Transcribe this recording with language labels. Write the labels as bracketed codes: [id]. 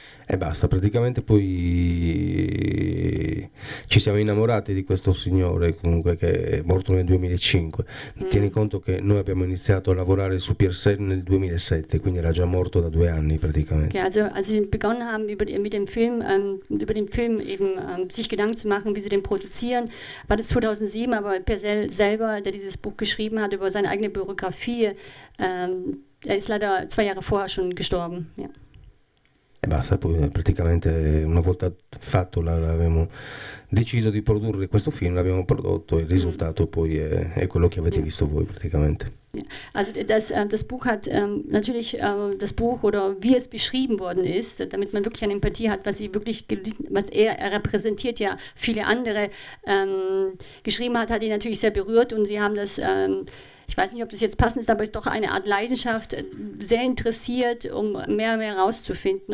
[it] E basta, praticamente poi ci siamo innamorati di questo signore, comunque, che è morto nel 2005. Tieni conto che noi abbiamo iniziato a lavorare su Pierselli nel 2007, quindi era già morto da 2 anni praticamente. [de] Okay, also als sie begonnen haben über den Film eben sich Gedanken zu machen, wie sie den produzieren, war das 2007, aber Pierselli selber, der dieses Buch geschrieben hat über seine eigene Biografie, er ist leider 2 Jahre vorher schon gestorben. Ja. [it] E basta, poi praticamente una volta fatto abbiamo deciso di produrre questo film, l'abbiamo prodotto e il risultato poi è quello che avete visto voi praticamente. [de] Also das Buch hat natürlich das Buch oder wie es beschrieben worden ist, damit man wirklich eine Empathie hat, was sie wirklich was er repräsentiert, ja viele andere geschrieben hat, hat ihn natürlich sehr berührt und sie haben das ich weiß nicht, ob das jetzt passend ist, aber es ist doch eine Art Leidenschaft, sehr interessiert, um mehr und mehr rauszufinden.